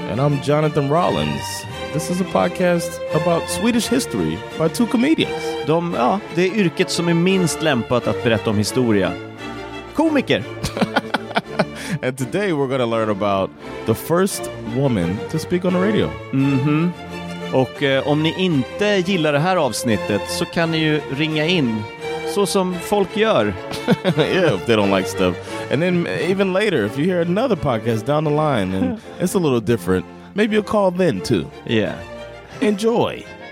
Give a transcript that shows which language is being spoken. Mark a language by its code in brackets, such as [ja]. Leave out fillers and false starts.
[en] And I'm Jonathan Rollins. This is a podcast about Swedish history by two comedians. [sv] Det är yrket som är minst lämpat att berätta om historia. Komiker! [en] And today we're going to learn about the first woman to speak on the radio. Mm-hmm. [sv] Och om ni inte gillar det här avsnittet så kan ni ju ringa in. Så som folk gör. [en] Yeah, if they don't like stuff. And then even later, if you hear another podcast down the line and it's a little different, maybe you'll call then too. Yeah. Enjoy.